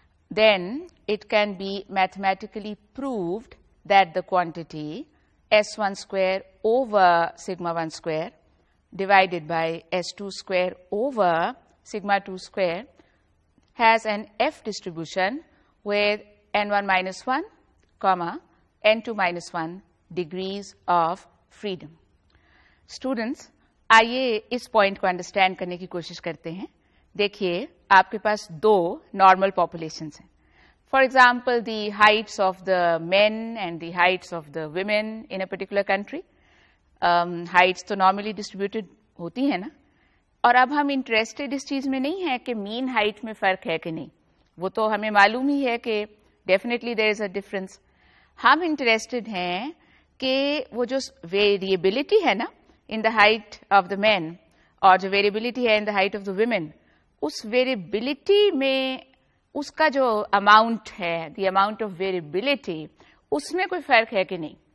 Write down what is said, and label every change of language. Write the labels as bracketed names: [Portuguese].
[English] Then it can be mathematically proved that the quantity S1 square over sigma 1 square divided by S2 square over sigma 2 square has an F distribution with N1 minus 1 comma N2 minus 1 degrees of freedom. [Urdu] Students, آئیے اس point کو understand کرنے کی کوشش کرتے ہیں. دیکھیے آپ کے پاس دو نارمل پاپولیشنس ہیں. [English] For example the heights of the men and the heights of the women in a particular country. [Urdu] Heights تو نارملی ڈسٹریبیوٹیڈ ہوتی ہیں نا, اور اب ہم انٹرسٹیڈ اس چیز میں نہیں ہیں کہ مین ہائٹ میں فرق ہے کہ نہیں. وہ تو ہمیں معلوم ہی ہے کہ [English] Definitely there is a difference. [Urdu] ہم انٹرسٹیڈ ہیں کہ وہ جو ویریبلٹی ہے نا [English] in the height of the men, or the variability here in the height of the women, [Urdu] us variability mein, uska jo amount hai, [English] the amount of variability, [Urdu] usme koi fark hai ki nahi.